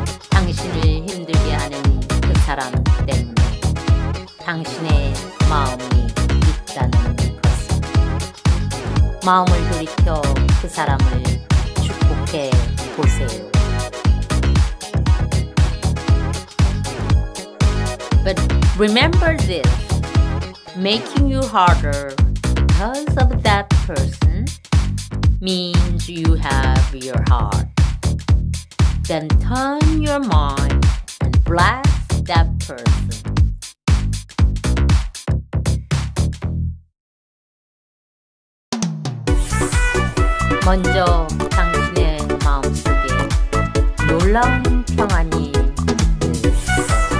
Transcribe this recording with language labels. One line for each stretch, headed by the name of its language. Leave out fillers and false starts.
Korean: 당신을 힘들게 하는 그 사람 때문에 당신의 마음이 있다는 마음을 돌이켜 그 사람을 축복해 보세요.
English: But remember this, making you harder because of that person means you have your heart. Then turn your mind and bless that person.
Korean: 먼저 당신의 마음속에 놀라운 평안이 있으세요.